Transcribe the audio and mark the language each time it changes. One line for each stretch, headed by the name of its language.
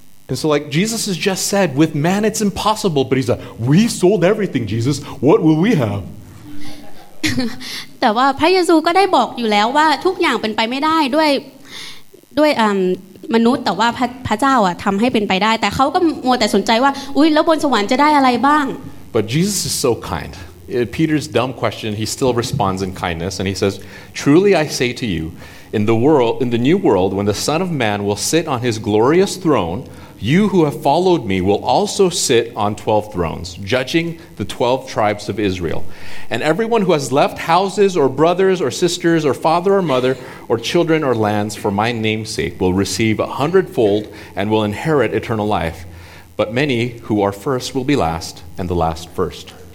English: And so like Jesus has just said with man it's impossible but he's like we sold everything Jesus what will we have
Thai: แต่ว่าพระเยซูก็ได้บอกอยู่แล้วว่าทุกอย่างเป็นไปไม่ได้ด้วยมนุษย์แต่ว่าพระเจ้าอ่ะทําให้เป็นไปได้แต่เค้าก็มัวแต่สนใจว่าอุ๊ยแล้วบนสวรรค์จะได้อะไรบ้าง
English: But Jesus is so kind. Peter's dumb question he still responds in kindness and he says truly I say to you in the new world when the son of man will sit on his glorious throne you who have followed me will also sit on 12 thrones judging the 12 tribes of Israel and everyone who has left houses or brothers or sisters or father or mother or children or lands for my name's sake will receive 100-fold and will inherit eternal life but many who are first will be last and the last first